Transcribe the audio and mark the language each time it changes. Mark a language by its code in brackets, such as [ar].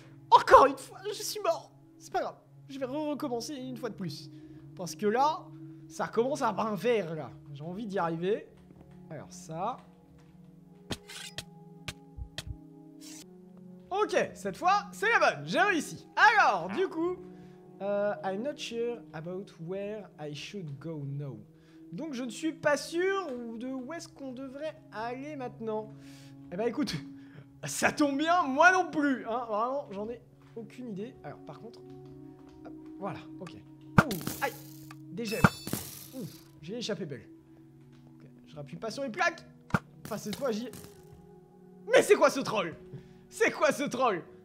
[fr] Encore une fois, je suis mort. C'est pas grave. Je vais recommencer une fois de plus. Parce que là, ça commence à brin vert, là. J'ai envie d'y arriver. Alors ça. Ok, cette fois, c'est la bonne. J'ai réussi. Alors, du coup, [en] I'm not sure about where I should go now. [fr] Donc, je ne suis pas sûr de où est-ce qu'on devrait aller maintenant. Eh ben, écoute... ça tombe bien, moi non plus, hein, vraiment, j'en ai aucune idée. Alors, par contre, hop, voilà, ok. Ouh, aïe, des gemmes. Ouh, j'ai échappé belle. Okay, je rappuie pas sur les plaques. Enfin, cette fois, j'y... Mais c'est quoi ce troll? C'est quoi ce troll?